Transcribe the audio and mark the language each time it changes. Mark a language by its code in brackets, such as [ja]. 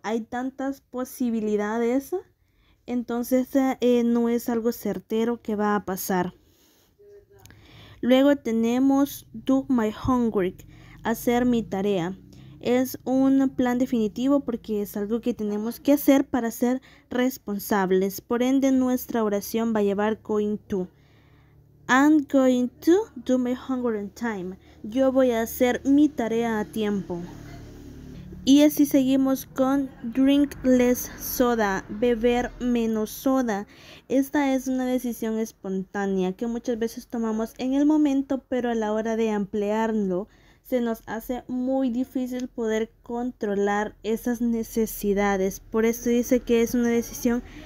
[es] Hay tantas posibilidades. Entonces no es algo certero que va a pasar. Luego tenemos [en] do my homework. [es] Hacer mi tarea. Es un plan definitivo porque es algo que tenemos que hacer para ser responsables. Por ende, nuestra oración va a llevar going to. [en] I'm going to do my homework on time. [es] Yo voy a hacer mi tarea a tiempo. Y así seguimos con [en] drink less soda, [es] beber menos soda. Esta es una decisión espontánea que muchas veces tomamos en el momento, pero a la hora de ampliarlo se nos hace muy difícil poder controlar esas necesidades. Por eso dice que es una decisión